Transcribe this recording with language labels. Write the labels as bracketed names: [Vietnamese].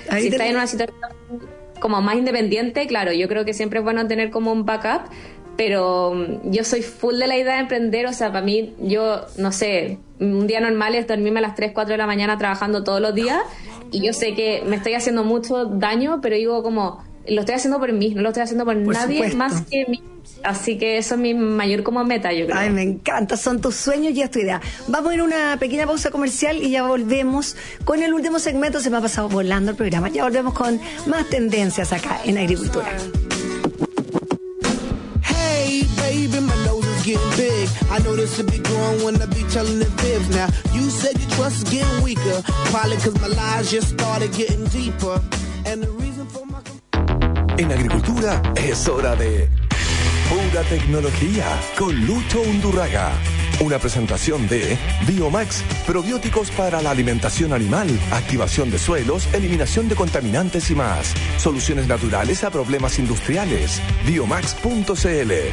[Spanish] Ahí si estáis en una situación como más independiente, claro, yo creo que siempre es bueno tener como un backup, pero yo soy full de la idea de emprender. O sea, para mí, yo no sé, un día normal es dormirme a las 3, 4 de la mañana trabajando todos los días, y yo sé que me estoy haciendo mucho daño, pero digo como, lo estoy haciendo por mí, no lo estoy haciendo por nadie, supuesto, más que mí. Así que eso es mi mayor como meta, yo creo. Ay, me encanta, son tus sueños y es tu idea. Vamos a ir a una pequeña pausa comercial y ya volvemos con el último segmento. Se me ha pasado volando el programa. Ya volvemos con más tendencias acá en Agricultura. [English] Hey, baby, my nose is getting big. I know this will be growing when I be telling the fibs. Now, you said your trust is getting weaker. Probably because my lies just started getting deeper. And the reason for my... [Spanish] En Agricultura es hora de... Pura Tecnología con Lucho Undurraga. Una presentación de Biomax, probióticos para la alimentación animal, activación de suelos, eliminación de contaminantes y más. Soluciones naturales a problemas industriales. Biomax.cl.